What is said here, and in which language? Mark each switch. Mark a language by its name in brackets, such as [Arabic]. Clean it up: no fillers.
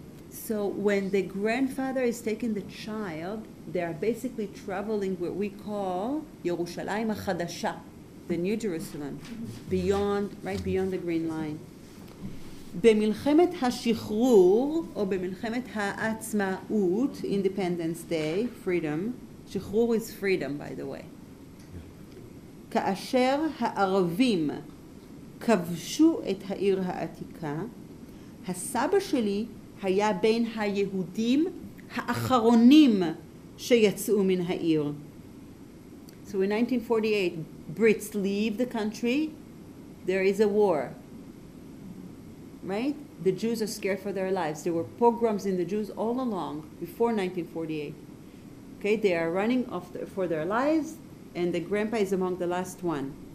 [English] So when the grandfather is taking the child, they are basically traveling what we call Yerushalayim HaChadasha, the New Jerusalem, beyond the Green Line. במלחמת השחרור או במלחמת העצמאות, Independence Day, Freedom, שחרור is freedom, by the way. [Hebrew] כאשר הערבים כבשו את העיר העתיקה, הסבא שלי היה בין היהודים האחרונים שיצאו מן העיר. [English] So in 1948, Brits leave the country, there is a war. Right? The Jews are scared for their lives. There were pogroms in the Jews all along before 1948. Okay, they are running off for their lives, and the grandpa is among the last one.